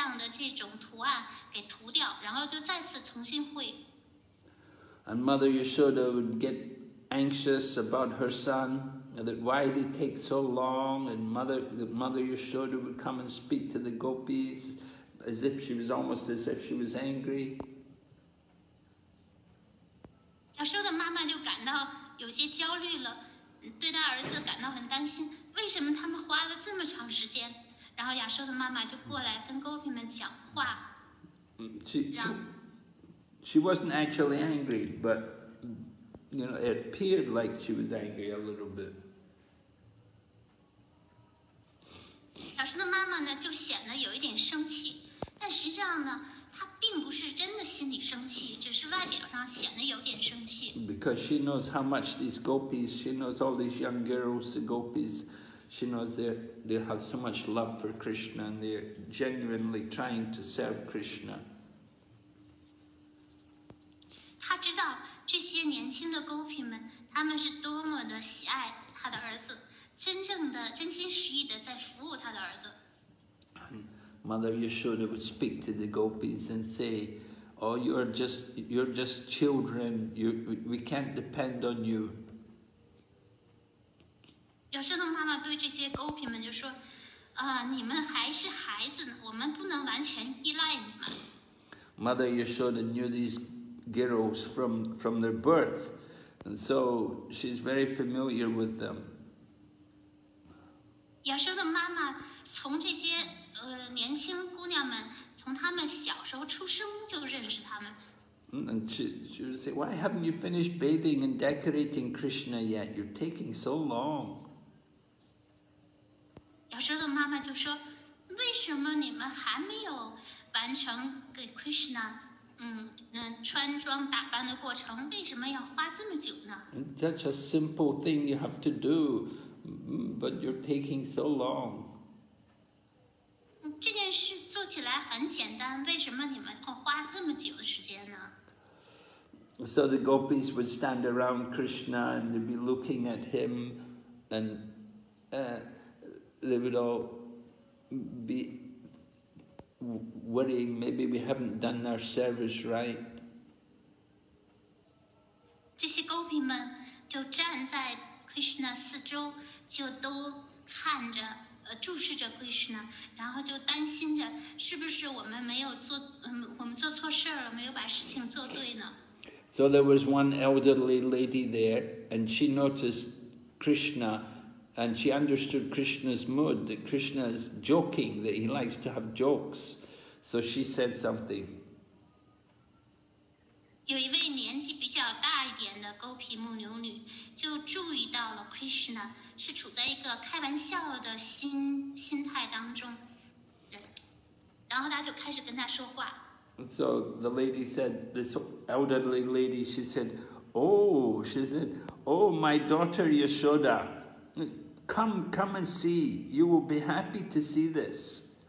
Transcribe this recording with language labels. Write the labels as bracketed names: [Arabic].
[Chinese] 这种图案给涂掉，然后就再次重新绘。 [English] And Mother Yashoda would get anxious about her son, that why did it take so long, and Mother Yashoda would come and speak to the gopis as if she was almost as if she was angry. [Chinese] Yashoda 妈妈就感到有些焦虑了，对她儿子感到很担心，为什么他们花了这么长时间？然后Yashoda 妈妈就过来跟gopi们讲话。 [English] She wasn't actually angry, but you know, it appeared like she was angry a little bit. [Chinese] 老师的妈妈呢，就显得有一点生气，但实际上呢，她并不是真的心里生气，只是外表上显得有点生气。 [English] Because she knows how much these gopis, she knows all these young girls, the gopis, she knows they have so much love for Krishna and they're genuinely trying to serve Krishna. [Chinese] 他知道这些年轻的勾品们，他们是多么的喜爱他的儿子，真正的真心实意的在服务他的儿子。 [English] Mother Yashoda would speak to the gopis and say, "Oh, you're just children. We can't depend on you." [Chinese] 有时候妈妈对这些勾品们就说，你们还是孩子呢，我们不能完全依赖你们。 [English] Mother Yashoda knew these. Girls from their birth, and so she's very familiar with them. [Chinese] Yashoda's 妈妈从这些年轻姑娘们从她们小时候出生就认识她们。 [English] And she would say, "Why haven't you finished bathing and decorating Krishna yet? You're taking so long." [Chinese] Yashoda's 妈妈就说，为什么你们还没有完成给 Krishna？穿装打扮的过程为什么要花这么久呢？ [English] Such a simple thing you have to do, but you're taking so long. [Chinese] 这件事做起来很简单，为什么你们要花这么久的时间呢？ [English] So the gopis would stand around Krishna and they'd be looking at him and they would all be... worrying, maybe we haven't done our service right. [Chinese] 这些勾品们就站在 Krishna 四周，就都看着，注视着 Krishna， 然后就担心着，是不是我们没有做，我们做错事了，没有把事情做对呢？ [English] So there was one elderly lady there, and she noticed Krishna. And she understood Krishna's mood, that Krishna is joking, that he likes to have jokes. So she said something. [Chinese] 有一位年纪比较大一点的勾皮木牛女就注意到了 Krishna 是处在一个开玩笑的心态当中。然后她就开始跟他说话。 [English] So the lady said, this elderly lady, she said, oh, my daughter Yashoda. Come and see. You will be happy to see this.